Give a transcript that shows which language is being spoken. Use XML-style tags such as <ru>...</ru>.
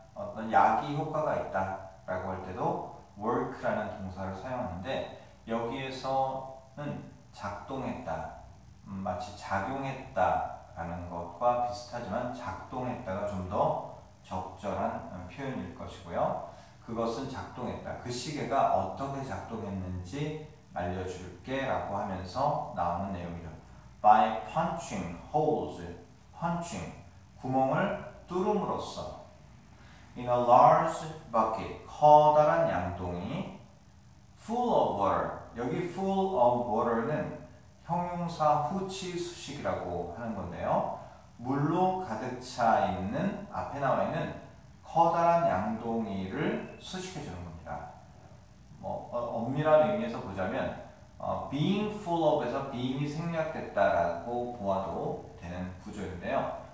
<ko>어떤 약이 효과가 있다 라고 할 때도 work라는 동사를 사용하는데 여기에서는 작동했다 마치 작용했다 라는 것과 비슷하지만 작동했다가 좀 더 적절한 표현일 것이고요. 그것은 작동했다. 그 시계가 어떻게 작동했는지 알려줄게 라고 하면서 나오는 내용이죠.</ko> <en>By punching holes, punching,</en> <ko>구멍을 뚫음으로써</ko> <en>In a large bucket,</en> <ko>커다란 양동이</ko> <en>full of water.</en> <ko>여기</ko> <en>full of water</en> <ko>는 형용사 후치 수식이라고 하는 건데요. 물로 가득 차 있는 앞에 나와 있는 커다란 양동이를 수식해 주는 겁니다. 뭐 엄밀한 의미에서 보자면 being full of에서 being이 생략됐다라고 보아도 되는 구조인데요.</ko>